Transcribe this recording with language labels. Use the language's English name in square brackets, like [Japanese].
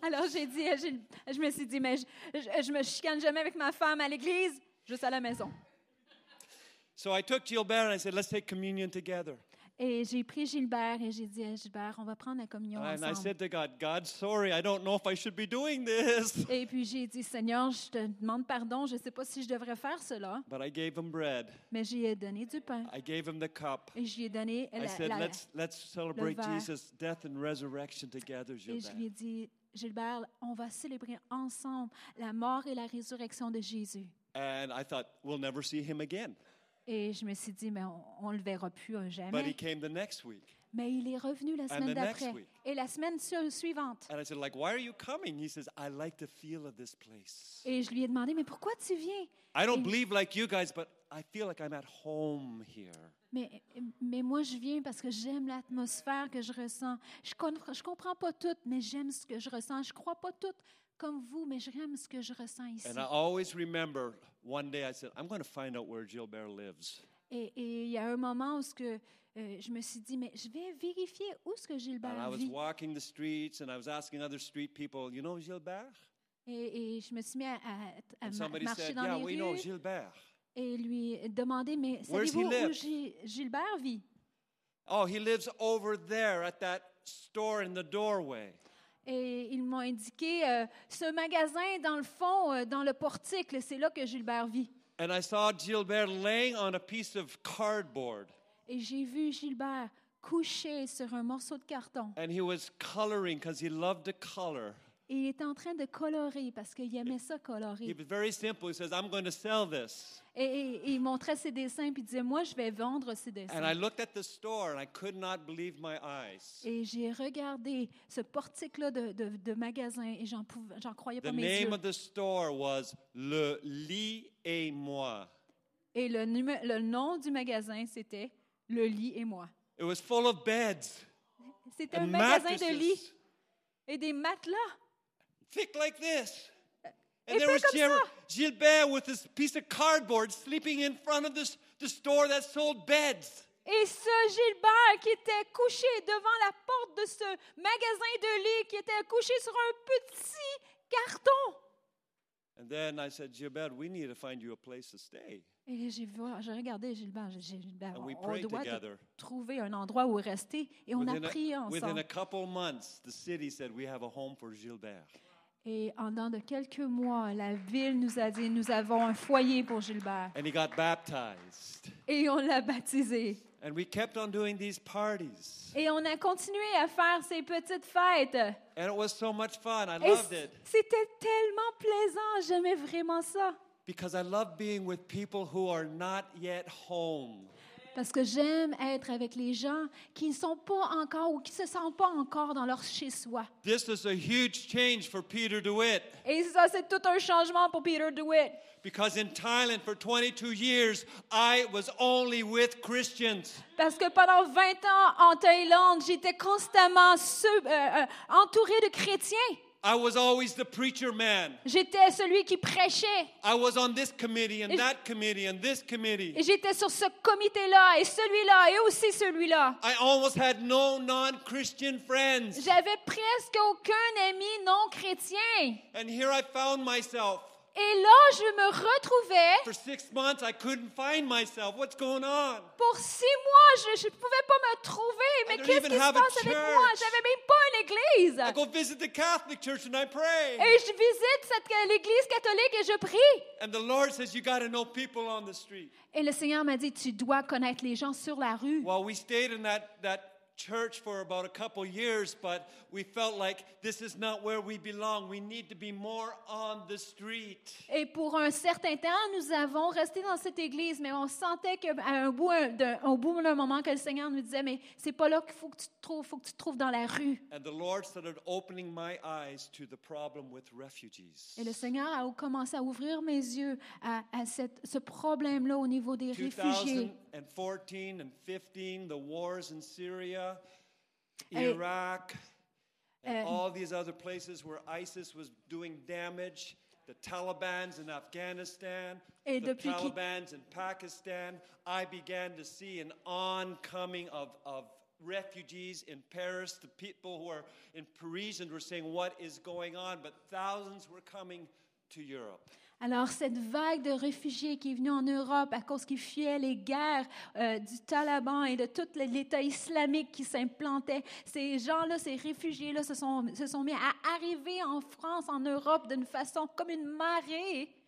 [French] Alors j'ai dit, je me suis dit, mais je me chicane jamais avec ma femme à l'église, juste à la maison. [English] So I took Gilbert and I said, let's take communion together. [French] Et j'ai pris Gilbert et j'ai dit à Gilbert, on va prendre la communion ensemble. [English] And I said to God, God, sorry, I don't know if I should be doing this. [French] Et puis j'ai dit, Seigneur, je te demande pardon, je ne sais pas si je devrais faire cela. [English] But I gave him bread. [French] Mais j'y ai donné du pain. [English] I gave him the cup. [French] Et j'y ai donné la, [English] I said, let's celebrate Jesus' death and resurrection together, Gilbert. [French] Et je lui ai dit, Gilbert, on va célébrer ensemble la mort et la résurrection de Jésus. [English] And I thought, we'll never see him again. [French] Et je me suis dit, mais on ne le verra plus jamais. [English] But he came the next week. [French] Mais il est revenu la semaine d'après. Et la semaine suivante. [English] And I said, like, why are you coming? He says, I like the feel of this place. [French] Et je lui ai demandé, mais pourquoi tu viens? [English] I don't believe like you guys, but I feel like I'm at home here. [French] Mais moi, je viens parce que j'aime l'atmosphère que je ressens. Je comprends pas tout, mais j'aime ce que je ressens. Je crois pas tout comme vous, mais j'aime ce que je ressens ici. [English] And I always remember one day I said, I'm going to find out where Gilbert lives. [French] Et il y a un moment où ce que je me suis dit, mais je vais vérifier où ce que Gilbert vit. [English] And I was walking the streets and I was asking other street people, you know Gilbert? [French] Et je me suis mis à marcher dans les rues. [English] And somebody said, yeah, we know Gilbert. [French] Et lui demander, mais savez-vous où Gilbert vit? [English] Oh, he lives over there at that store in the doorway. [French] Et ils m'ont indiqué ce magasin dans le fond, dans le portique, c'est là que Gilbert vit. [English] And I saw Gilbert laying on a piece of cardboard. [French] Et j'ai vu Gilbert couché sur un morceau de carton. [English] And he was coloring because he loved to color. [French] Et il était en train de colorer parce qu'il aimait ça colorer. [English] He was very simple. He says, I'm going to sell this. [French] Et il montrait ses dessins puis il disait, moi, je vais vendre ces dessins. [English] And I looked at the store and I could not believe my eyes. [French] Et j'ai regardé ce portique-là de magasin et j'en croyais pas mes yeux. [English] The name of the store was Le Lit et Moi. [French] Et le nom du magasin, c'était Le Lit et Moi. [English] It was full of beds. [French] C'était un magasin de lits. Et des matelas. [English] Thick like this. And there was Gilbert with this piece of cardboard sleeping in front of the store that sold beds. [French] Et ce Gilbert qui était couché devant la porte de ce magasin de lits qui était couché sur un petit carton. [English] And then I said, Gilbert, we need to find you a place to stay. [French] Et j'ai regardé Gilbert. J'ai dit, ben, on doit trouver un endroit où rester. Et on [English] within [French] a prié ensemble. [English] Within a couple months, the city said, we have a home for Gilbert. [French] Et en dans de quelques mois, la ville nous a dit, nous avons un foyer pour Gilbert. [English] And he got baptized. [French] Et on l'a baptisé. [English] And we kept on doing these parties. [French] Et on a continué à faire ces petites fêtes. [English] And it was so much fun. I [French] et [English] loved it. [French] C'était tellement plaisant. J'aimais vraiment ça. [English] Because I love being with people who are not yet home. [French] Parce que j'aime être avec les gens qui ne sont pas encore ou qui se sentent pas encore dans leur chez soi. [English] This is a huge change for Peter DeWitt. [French] Et ça, c'est tout un changement pour Peter DeWitt. [English] Because in Thailand for 22 years, I was only with Christians. [French] Parce que pendant 20 ans en Thaïlande, j'étais constamment entouré de chrétiens. [English] I was always the preacher man. [French] J'étais celui qui prêchait. [English] I was on this committee and that committee and this committee. [French] Et j'étais sur ce comité-là et celui-là et aussi celui-là. [English] I almost had no non-Christian friends. [French] J'avais presque aucun ami non-chrétien. [English] And here I found myself. [French] Et là, je me retrouvais. [English] For 6 months, I couldn't find myself. What's going on? [French] Pour 6 mois, je ne pouvais pas me trouver. Mais qu'est-ce qui se passe avec moi? Je n'avais même pas une église. [English] I go visit the Catholic church and I pray. [French] Et je visite l'église catholique et je prie. [English] And the Lord says, you got to know people on the street. [French] Et le Seigneur m'a dit, tu dois connaître les gens sur la rue. [English] Well, we stayed in that church for about a couple years, but we felt like this is not where we belong. We need to be more on the street. [French] Et pour un certain temps, nous avons resté dans cette église, mais on sentait qu'à un bout d'un moment, que le Seigneur nous disait, mais c'est pas là qu'il faut que tu te trouves, faut que tu te trouves dans la rue. [English] And the Lord started opening my eyes to the problem with refugees. [French] Et le Seigneur a commencé à ouvrir mes yeux à ce problème-là au niveau des réfugiés. [English] 2014 and 15, the wars in Syria, Iraq, and all these other places where ISIS was doing damage, the Taliban's in Afghanistan, the Taliban's in Pakistan, I began to see an oncoming of refugees in Paris. The people who are in Parisians were saying, what is going on? But thousands were coming to Europe. [French] Alors, cette vague de réfugiés qui est venue en Europe à cause qu'ils fuyaient les guerres du Taliban et de tout l'État islamique qui s'implantait, ces gens-là, ces réfugiés-là, se sont mis à arriver en France, en Europe, d'une façon comme une marée.